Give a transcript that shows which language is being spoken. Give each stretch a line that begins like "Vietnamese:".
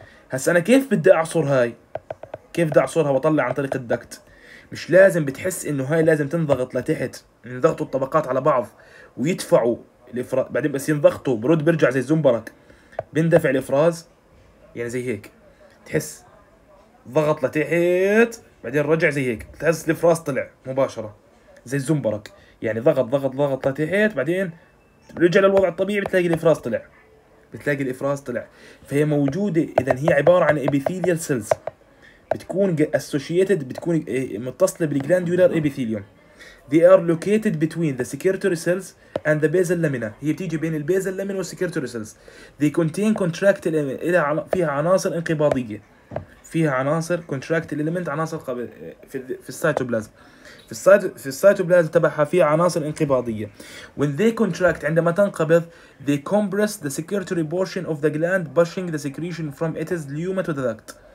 Arabic: هسه انا كيف بدي اعصر هاي؟ كيف بدي اعصرها واطلع عن طريق الدكت؟ مش لازم بتحس انه هاي لازم تنضغط لتحت، ينضغطوا الطبقات على بعض ويدفعوا الافراز، بعدين بس ينضغطوا برد بيرجع زي الزنبرك بندفع الافراز، يعني زي هيك تحس ضغط لتحت بعدين رجع زي هيك تحس الافراز طلع مباشره زي الزنبرك، يعني ضغط ضغط ضغط لتحت بعدين رجع للوضع الطبيعي بتلاقي الافراز طلع، بتلاقي الافراز طلع. فهي موجوده، اذا هي عباره عن ابيثيليال سيلز بتكون اسوشيتد، بتكون متصله بالجلانديولار ابيثيليوم.
English: They are located between the secretory cells and the basal lamina.
Arabic: هي بتيجي بين البيزل لامينا والسكرتوري سيلز.
English: They contain contractile element.
Arabic: فيها عناصر انقباضية. فيها عناصر
English: contractile element،
Arabic: عناصر في السيتوبلازم. في السيتوبلازم تبعها فيها عناصر انقباضية.
English: When they contract،
Arabic: عندما تنقبض،
English: they compress the secretory portion of the gland, pushing the secretion from it is lumen to the duct.